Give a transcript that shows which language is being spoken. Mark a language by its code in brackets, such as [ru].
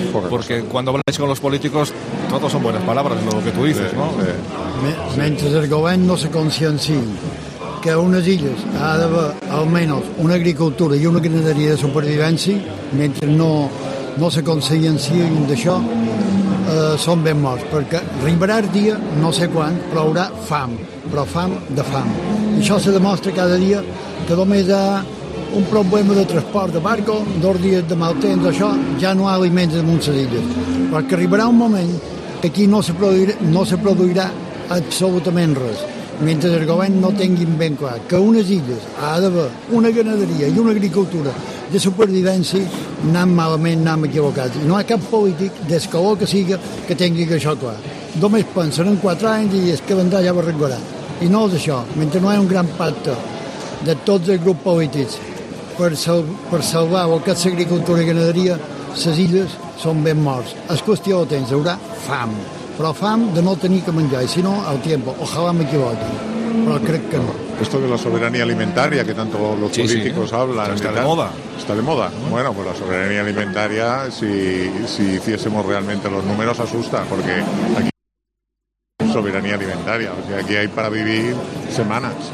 [es] Porque cuando habláis con los políticos, todos son buenas palabras, lo que tú dices, ¿no? Mientras el gobierno se conciencie que a unas islas ha de haber al menos una agricultura y una ganadería de supervivencia, mientras no se conciencien de eso, son [ca] bien morts. Porque arribarà el día, no sé quan, però haurà fam, però fam de fam. I això se demostra cada dia que només ha... un problema de transport de barco, dos dies de mal temps, això, ja no hi ha aliments en moltes illes. Perquè arribarà un moment que aquí no se produirà absolutament res, mentre el govern no tingui ben clar que unes illes ha d'haver una ganaderia i una agricultura de supervivència, anant malament, anant equivocat. No hi ha cap polític, des que vol que sigui, que tingui això clar. Només pensen en 4 anys i és que vendrà ja barrancarà. I no és això, mentre no hi ha un gran pacte de tots els grups polítics per salvar aquesta agricultura i ganaderia, les illes són ben morts. És qüestió de temps, hi haurà fam, però fam de no tenir que menjar, i si no, el temps. Ojalá m'equivoqui, però crec que no. [es] Esto de la soberanía alimentaria, que tanto los políticos hablan... Está de moda. Está de moda. Bueno, pues la soberanía alimentaria, si hiciésemos realmente los números, asusta, porque aquí hay soberanía alimentaria, o sea, aquí hay para vivir semanas.